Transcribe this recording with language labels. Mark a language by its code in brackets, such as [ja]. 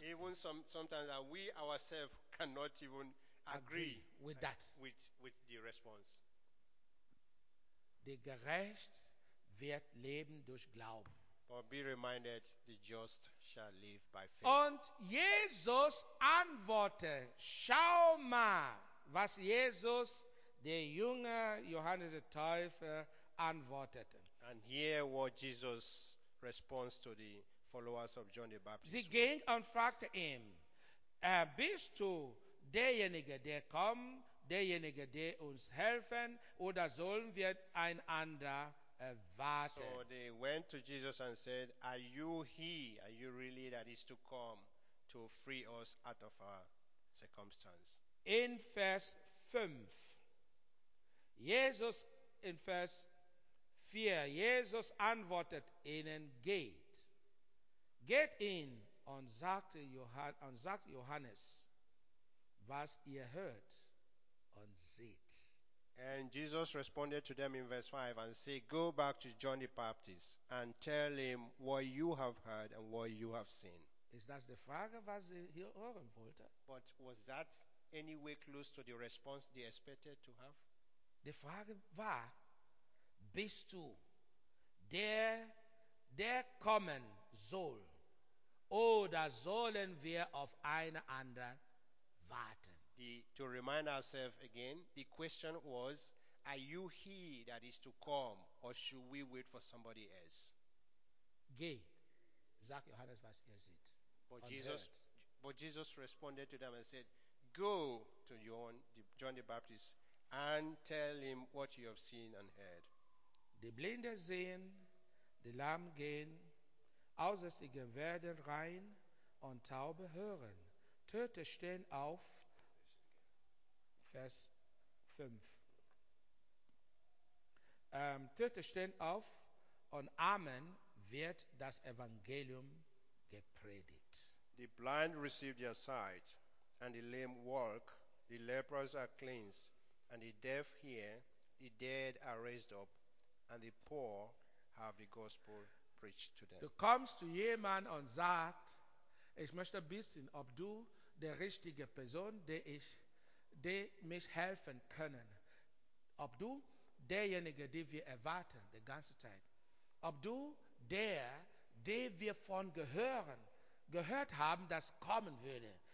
[en] Even sometimes that we ourselves cannot even agree with that. With the response. [de] Der Gerecht wird leben durch Glauben. [en] But be reminded, the just shall live by faith. [de] Und Jesus antwortete, schau mal, was Jesus, der junge Johannes der Täufer, antwortete. [en] And hear what Jesus responds to the followers of John the Baptist. [de] Sie ging und fragte ihn, bist du derjenige, der kommt, derjenige, der uns helfen, oder sollen wir ein anderer warten? [en] So they went to Jesus and said, are you he, are you really that is to come to free us out of our circumstance? [de] In Vers 5, Jesus in Vers 4, Jesus antwortet ihnen, geht in und sagt Johannes, was ihr hört und seht. [en] And Jesus responded to them in verse 5 and said, go back to John the Baptist and tell him what you have heard and what you have seen. [de] Ist das die Frage, was sie hier hören wollten? [en] But was that any way close to the response they expected to have? [de] Die Frage war, bist du der, der kommen soll, oder sollen wir auf einen anderen warten? [en] To remind ourselves again, the question was, are you he that is to come, or should we wait for somebody else? [de] Geh, sagt Johannes, was ihr seht. [en] But Jesus responded to them and said, go to John the Baptist and tell him what you have seen and heard. [de] Die Blinde sehen, die Lahmen gehen, Aussätzige werden rein und Taube hören. Tote stehen auf. Vers 5. Tote stehen auf und Amen wird das Evangelium gepredigt. [en] The blind receive their sight and the lame walk. The lepers are cleansed and the deaf hear. The dead are raised up. And the poor have the gospel preached to them. [de] Du kommst zu jemand und sagst, ich möchte wissen, ob du der richtige Person, der mich helfen können. Ob du derjenige, den wir erwarten, die ganze Zeit. Ob du der, den wir von gehört haben, das kommen würde.